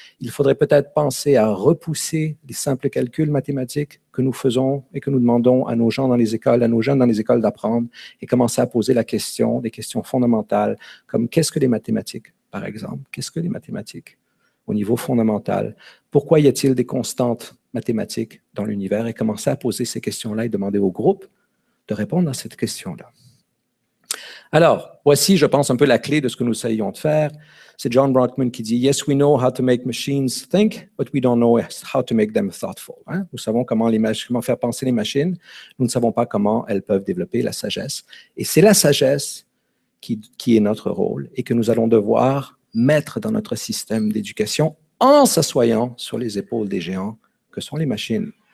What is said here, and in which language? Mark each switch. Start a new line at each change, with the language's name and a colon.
French: Il faudrait peut-être penser à repousser les simples calculs mathématiques que nous faisons et que nous demandons à nos gens dans les écoles, à nos jeunes dans les écoles d'apprendre et commencer à poser la question, des questions fondamentales, comme qu'est-ce que les mathématiques, par exemple? Qu'est-ce que les mathématiques au niveau fondamental? Pourquoi y a-t-il des constantes mathématiques dans l'univers? Et commencer à poser ces questions-là et demander au groupe de répondre à cette question-là. Alors, voici, je pense, un peu la clé de ce que nous essayons de faire. C'est John Brockman qui dit
English: « Yes, we know how to make machines think, but we don't know how to make them thoughtful.
French: Hein? » Nous savons comment faire penser les machines, nous ne savons pas comment elles peuvent développer la sagesse. Et c'est la sagesse qui est notre rôle et que nous allons devoir mettre dans notre système d'éducation en s'assoyant sur les épaules des géants que sont les machines.